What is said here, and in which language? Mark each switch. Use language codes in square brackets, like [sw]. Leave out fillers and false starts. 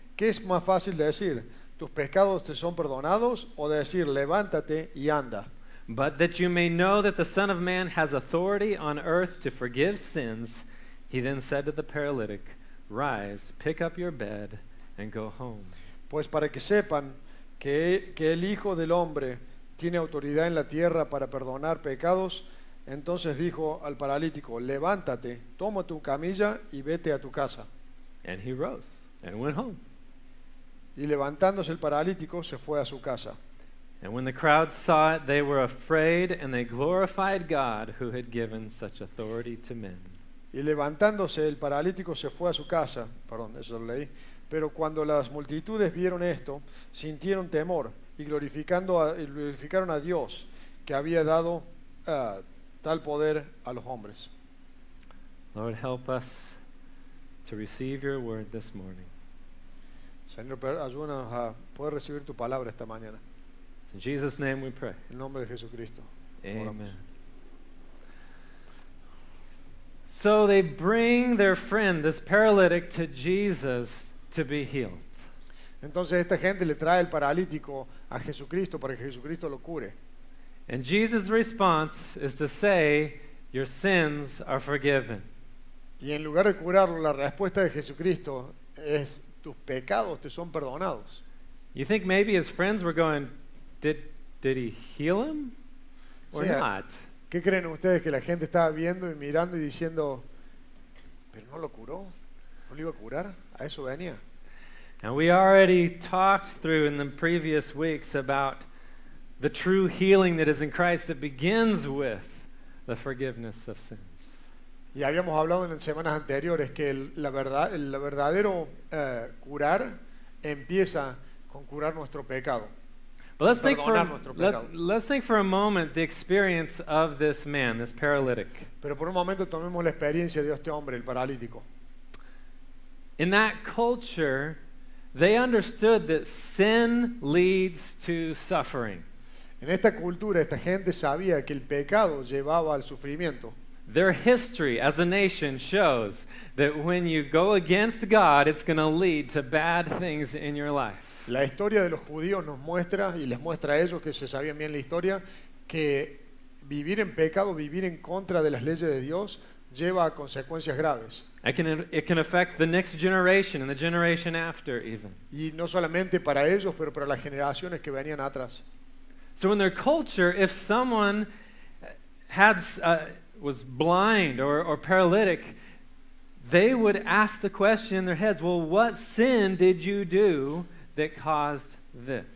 [es] ¿Qué es más fácil decir, "Tus pecados te son perdonados," o decir, "Levántate y anda"? [en] But that you may know that the Son of Man has authority on earth to forgive sins, he then said to the paralytic, "Rise, pick up your bed, and go home." [es] Pues para que sepan que el Hijo del Hombre tiene autoridad en la tierra para perdonar pecados, entonces dijo al paralítico, "Levántate, toma tu camilla y vete a tu casa." [en] And he rose and went home. [es] Y levantándose el paralítico se fue a su casa. [en] And when the crowd saw it, they were afraid and they glorified God who had given such authority to men. [es] Y levantándose el paralítico se fue a su casa. Perdón, eso lo leí. Pero cuando las multitudes vieron esto, sintieron temor y glorificaron a Dios que había dado tal poder a los hombres. [en] Lord, help us to receive your word this morning. [es] Señor, ayúdanos a poder recibir tu palabra esta mañana. [en] In Jesus' name we pray. [es] En nombre de Jesucristo. Amen. Oramos. [en] So they bring their friend, this paralytic, to Jesus to be healed. [es] Entonces esta gente le trae el paralítico a Jesucristo para que Jesucristo lo cure. [en] And Jesus' response is to say, "Your sins are forgiven." [es] Y en lugar de curarlo, la respuesta de Jesucristo es, "Tus pecados te son perdonados." [en] You think maybe his friends were going, did he heal him or not? [es] ¿Qué creen ustedes que la gente estaba viendo y mirando y diciendo, pero no lo curó? ¿No lo iba a curar? A eso venía. [en] And we already talked through in the previous weeks about the true healing that is in Christ that begins with the forgiveness of sins. [es] Y habíamos hablado en semanas anteriores que el verdadero curar empieza con curar nuestro pecado. [en] But let's think for a moment the experience of this man, this paralytic. [es] Pero por un momento tomemos la experiencia de este hombre, el paralítico. [en] In that culture, they understood that sin leads to suffering. [es] En esta cultura, esta gente sabía que el pecado llevaba al sufrimiento. [en] Their history as a nation shows that when you go against God, it's going to lead to bad things in your life. [es] La historia de los judíos nos muestra, y les muestra a ellos que se sabían bien la historia, que vivir en pecado, vivir en contra de las leyes de Dios, lleva a consecuencias graves. [en] It can affect the next generation and the generation after even. [es] Y no solamente para ellos, pero para las generaciones que venían atrás. [en] So in their culture, if someone had was blind or paralytic, they would ask the question in their heads, well, what sin did you do that caused this?